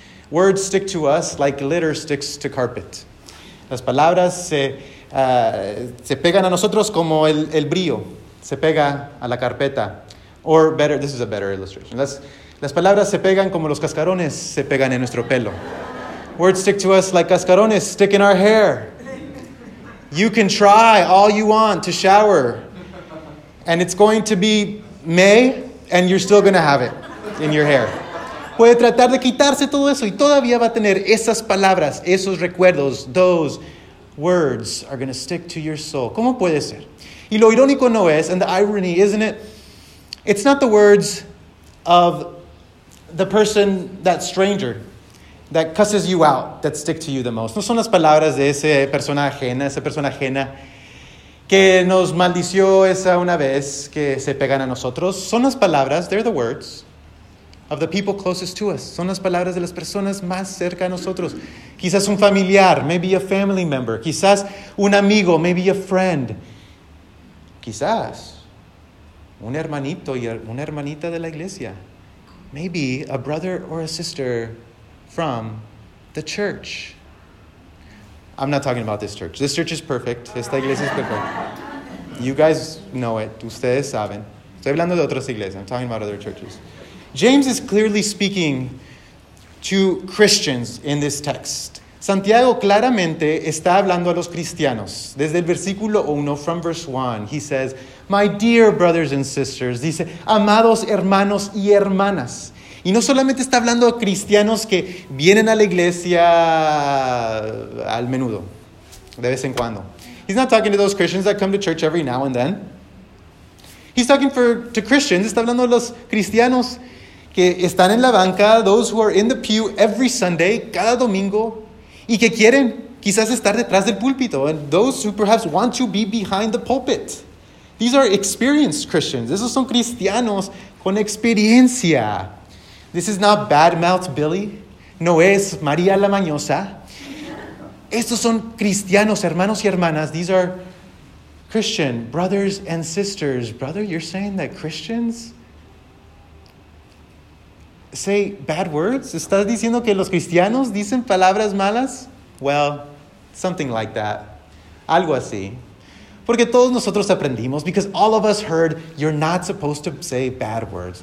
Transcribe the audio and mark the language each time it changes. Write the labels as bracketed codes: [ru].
[en] Words stick to us like litter sticks to carpet. [es] Las palabras se pegan a nosotros como el brillo. Se pega a la carpeta. [en] Or better, this is a better illustration. [es] Las palabras se pegan como los cascarones se pegan en nuestro pelo. [en] Words stick to us like cascarones stick in our hair. You can try all you want to shower, and it's going to be May, and you're still going to have it in your hair. [es] Puede tratar de quitarse todo eso, y todavía va a tener esas palabras, esos recuerdos, [en] those words are going to stick to your soul. [es] ¿Cómo puede ser? Y lo irónico no es, [en] and the irony, isn't it? It's not the words of the person, that stranger, that cusses you out, that stick to you the most. [es] No son las palabras de esa persona ajena que nos maldició esa una vez que se pegan a nosotros. Son las palabras, [en] they're the words, of the people closest to us. [es] Son las palabras de las personas más cerca a nosotros. Quizás un familiar, [en] maybe a family member. [es] Quizás un amigo, [en] maybe a friend. [es] Quizás un hermanito y una hermanita de la iglesia. [en] Maybe a brother or a sister from the church. I'm not talking about this church. This church is perfect. [es] Esta iglesia es perfecta. [en] You guys know it. [es] Ustedes saben. Estoy hablando de otras iglesias. [en] I'm talking about other churches. James is clearly speaking to Christians in this text. [es] Santiago claramente está hablando a los cristianos. Desde el versículo 1, [en] from verse 1, he says, my dear brothers and sisters, [es] dice, amados hermanos y hermanas. Y no solamente está hablando a cristianos que vienen a la iglesia al menudo, de vez en cuando. [en] He's not talking to those Christians that come to church every now and then. He's talking to Christians. [es] Está hablando a los cristianos que están en la banca, [en] those who are in the pew every Sunday, [es] cada domingo, y que quieren quizás estar detrás del púlpito. [en] And those who perhaps want to be behind the pulpit. These are experienced Christians. [es] Esos son cristianos con experiencia. [en] This is not bad-mouthed Billy. [es] No es María la Mañosa. Estos son cristianos, hermanos y hermanas. [en] These are Christian brothers and sisters. Brother, you're saying that Christians say bad words? [es] ¿Estás diciendo que los cristianos dicen palabras malas? [en] Well, something like that. [es] Algo así. Porque todos nosotros aprendimos, [en] because all of us heard, you're not supposed to say bad words.